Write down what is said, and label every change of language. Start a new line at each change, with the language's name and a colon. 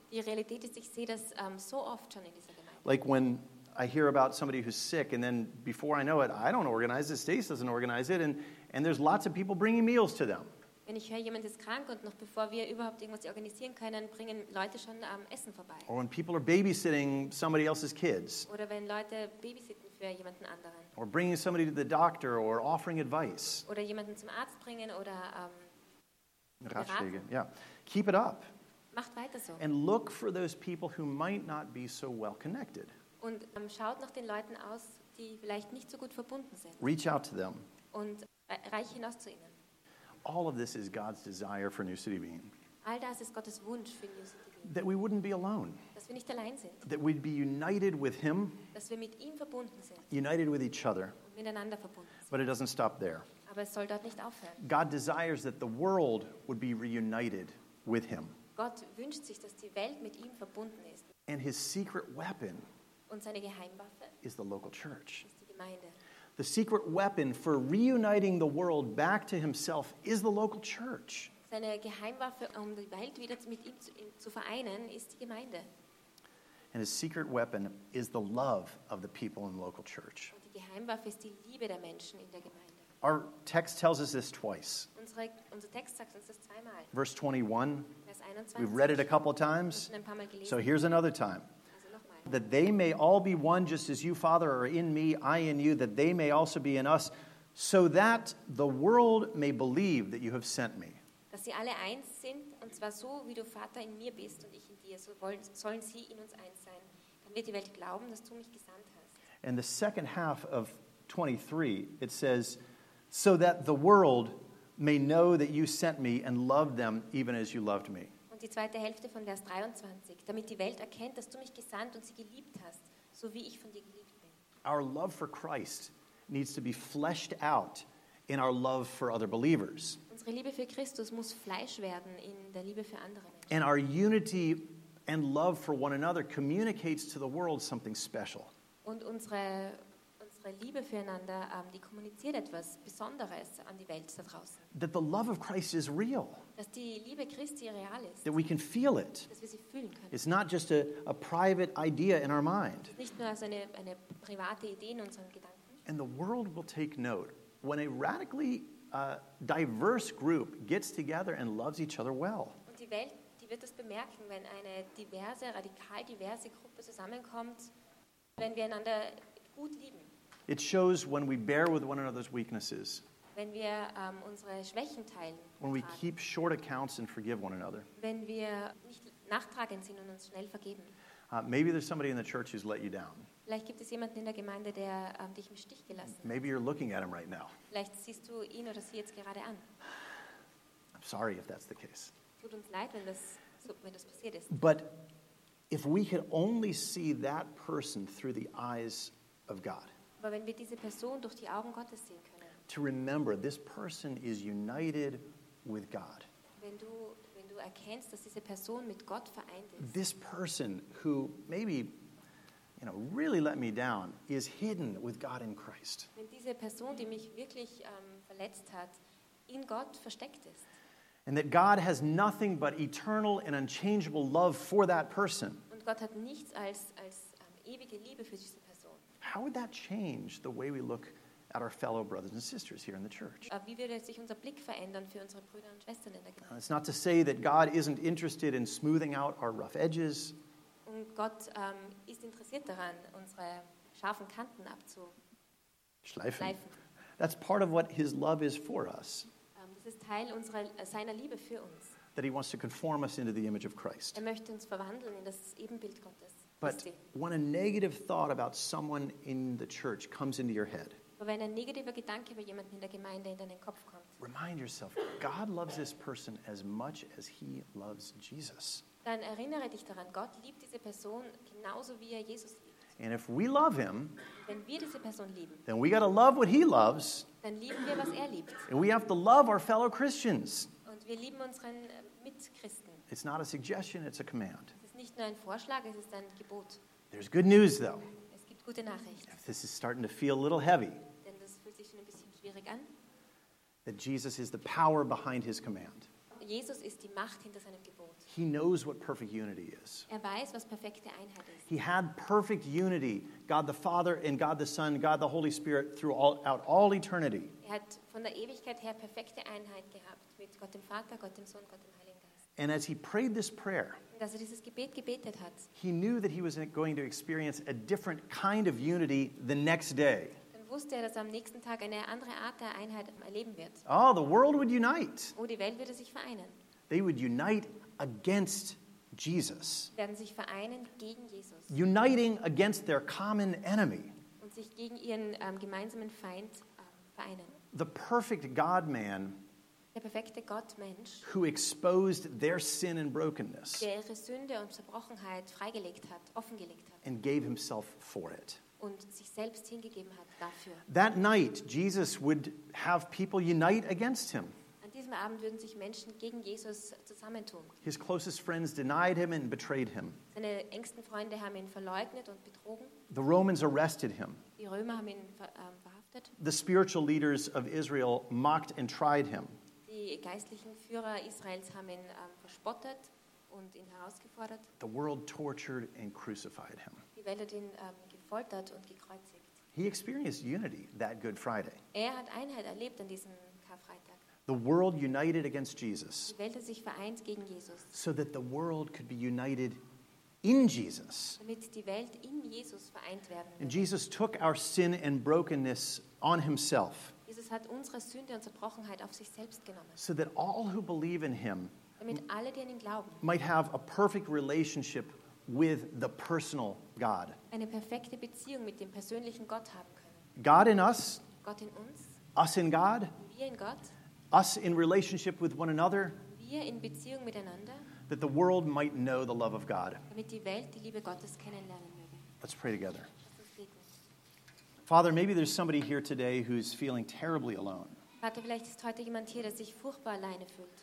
German: Die Realität ist, ich sehe das so oft schon in dieser Gemeinde.
English: Like when I hear about somebody who's sick, and then before I know it, I don't organize it. Stace doesn't organize it, and there's lots of people bringing meals to them.
German: Wenn ich höre, jemand ist krank, und noch bevor wir überhaupt irgendwas organisieren können, bringen Leute schon Essen vorbei.
English: Or when people are babysitting somebody else's kids.
German: Oder wenn Leute babysitten für jemanden anderen.
English: Or bringing somebody to the doctor, or offering advice.
German: Oder jemanden zum Arzt bringen oder Ratschläge.
English: Yeah, keep it up.
German: Macht weiter so.
English: And look for those people who might not be so well connected.
German: Und schaut nach den Leuten aus, die vielleicht nicht so gut verbunden sind.
English: Reach out to them.
German: Und reich hinaus zu ihnen.
English: All of this is God's desire for New City Bean.
German: All das ist Gottes Wunsch für New City Bean.
English: That we wouldn't be alone.
German: Dass wir nicht allein sind.
English: That we'd be united with him.
German: Dass wir mit ihm verbunden sind.
English: United with each other.
German: Und miteinander verbunden sind.
English: But it doesn't stop there.
German: Aber es soll dort nicht aufhören.
English: God desires that the world would be reunited with him.
German: Gott wünscht sich, dass die Welt mit ihm verbunden ist.
English: And his secret weapon
German: und seine Geheimwaffe
English: is the local church.
German: Ist die Gemeinde.
English: The secret weapon for reuniting the world back to himself is the local church.
German: Seine Geheimwaffe, die Welt wieder mit ihm zu vereinen, ist die Gemeinde.
English: And his secret weapon is the love of the people in the local church.
German: Und die Geheimwaffe ist die Liebe der Menschen in der Gemeinde.
English: Our text tells us this twice.
German: Unser Text sagt uns das zweimal.
English: Verse 21.
German: Vers 21.
English: We've read it a couple of times.
German: Wir haben schon ein paar Mal gelesen.
English: So here's another time. That they may all be one, just as you, Father, are in me, I in you, that they may also be in us, so that the world may believe that you have sent me.
German: Dass sie alle eins sind, und zwar so, wie du, Vater, in mir bist und ich in dir, so sollen sie in uns eins sein. Dann wird die Welt glauben, dass du mich gesandt hast.
English: And the second half of 23, it says, so that the world may know that you sent me and love them even as you loved me.
German: Die zweite Hälfte von Vers 23, damit die Welt erkennt, dass du mich gesandt und sie geliebt hast, so wie ich von dir geliebt bin.
English: Our love for Christ needs to be fleshed out in our love for other believers.
German: Unsere Liebe für Christus muss Fleisch werden in der Liebe für andere Menschen.
English: And our unity and love for one another communicates to the world something special.
German: Und unsere Liebe füreinander, die kommuniziert etwas Besonderes an die Welt da draußen.
English: That the love of Christ is real.
German: Dass die Liebe Christi real ist.
English: That we can feel it.
German: Dass wir sie fühlen können.
English: It's not just a private idea in our mind.
German: Nicht nur so eine private Idee in unseren Gedanken.
English: And the world will take note when a radically diverse group gets together and loves each other well.
German: Und die Welt, die wird das bemerken, wenn eine diverse, radikal diverse Gruppe zusammenkommt, wenn wir einander gut lieben.
English: It shows when we bear with one another's weaknesses.
German: Wenn wir unsere Schwächen teilen.
English: When we keep short accounts and forgive one another.
German: Wenn wir nicht nachtragend sind und uns schnell vergeben.
English: Maybe there's somebody in the church who's let you down.
German: Vielleicht gibt es jemanden in der Gemeinde, der dich im Stich gelassen hat.
English: Maybe you're looking at him right now.
German: Vielleicht siehst du ihn oder sie jetzt gerade an.
English: I'm sorry if that's the case.
German: Tut uns leid, wenn das passiert ist.
English: But if we could only see that person through the eyes of God.
German: Aber wenn wir diese Person durch die Augen Gottes sehen können.
English: to remember this person is united with God.
German: Wenn du erkennst, dass diese Person mit Gott vereint ist.
English: This person who maybe really let me down is hidden with God in Christ.
German: Wenn diese Person, die mich wirklich verletzt hat, in Gott versteckt ist.
English: And that God has nothing but eternal and unchangeable love for that person.
German: Und Gott hat nichts als ewige Liebe für diese Person.
English: How would that change the way we look at our fellow brothers and sisters here in the church?
German: Wie würde sich unser Blick verändern für unsere Brüder und Schwestern in der Gemeinde?
English: It's not to say that God isn't interested in smoothing out our rough edges.
German: Und Gott ist interessiert daran, unsere scharfen Kanten abzuschleifen.
English: That's part of what his love is for us.
German: Das ist Teil seiner Liebe für uns.
English: That he wants to conform us into the image of Christ.
German: Er möchte uns verwandeln in das Ebenbild Gottes.
English: But when a negative thought about someone in the church comes into your head,
German: wenn ein negativer Gedanke über jemanden in der Gemeinde in deinen Kopf kommt,
English: remind yourself, God loves this person as much as he loves Jesus.
German: Dann erinnere dich daran, Gott liebt diese Person genauso wie er Jesus liebt.
English: And if we love him,
German: wenn wir diese Person lieben,
English: then we got to love what he loves.
German: Dann lieben wir, was er liebt.
English: And we have to love our fellow Christians.
German: Und wir lieben unseren Mitchristen.
English: It's not a suggestion, it's a command.
German: Es ist nicht nur ein Vorschlag, es ist ein Gebot.
English: There's good news though.
German: Es gibt gute Nachricht.
English: If this is starting to feel a little heavy,
German: denn das fühlt sich schon ein bisschen schwierig an.
English: That Jesus is the power behind his command.
German: Jesus ist die Macht hinter seinem Gebot.
English: He knows what perfect unity is.
German: Er weiß, was perfekte Einheit ist.
English: He had perfect unity, God the Father and God the Son, God the Holy Spirit throughout all eternity.
German: Er hat von der Ewigkeit her perfekte Einheit gehabt mit Gott dem Vater, Gott dem Sohn, Gott dem Heiligen Geist.
English: And as he prayed this prayer,
German: und als er dieses Gebet gebetet hat,
English: he knew that he was going to experience a different kind of unity the next day.
German: Dann wusste er, dass er am nächsten Tag eine andere Art der Einheit erleben wird.
English: Oh, the world would unite.
German: Oh, die Welt würde sich vereinen.
English: They would unite against Jesus.
German: Werden sich vereinen gegen Jesus.
English: Uniting against their common enemy.
German: Und sich gegen ihren gemeinsamen Feind vereinen.
English: The perfect God-man,
German: der perfekte Gott-Mensch,
English: who exposed their sin and brokenness,
German: der ihre Sünde und Zerbrochenheit freigelegt hat, offengelegt hat,
English: and gave himself for it.
German: Und sich selbst hingegeben hat dafür.
English: That night, Jesus would have people unite against him.
German: Diesem Abend würden sich Menschen gegen Jesus zusammentun.
English: His closest friends denied him and betrayed him.
German: Seine engsten Freunde haben ihn verleugnet und betrogen.
English: The Romans arrested him.
German: Die Römer haben ihn verhaftet.
English: The spiritual leaders of Israel mocked and tried him.
German: Die geistlichen Führer Israels haben ihn verspottet und ihn herausgefordert.
English: The world tortured and crucified him.
German: Die Welt hat ihn gefoltert und gekreuzigt.
English: He experienced unity that Good Friday.
German: Er hat Einheit erlebt an diesem.
English: The world united against Jesus.
German: Die Welt hat sich vereint gegen Jesus.
English: So that the world could be united in Jesus.
German: Damit die Welt in Jesus vereint werden würde.
English: And Jesus took our sin and brokenness on himself.
German: Jesus hat unsere Sünde und Zerbrochenheit auf sich selbst genommen.
English: So that all who believe in him,
German: damit alle, die an ihn glauben,
English: might have a perfect relationship with the personal God.
German: Eine perfekte Beziehung mit dem persönlichen Gott haben können.
English: God in us.
German: Gott in uns.
English: Us in God.
German: Wir in Gott.
English: Us in relationship with one another.
German: Wir in Beziehung miteinander.
English: That the world might know the love of God.
German: Damit die Welt die Liebe Gottes kennenlernen möge.
English: Let's pray together. Father, maybe there's somebody here today who's feeling terribly alone.
German: Vater, vielleicht ist heute jemand hier, der sich furchtbar alleine fühlt.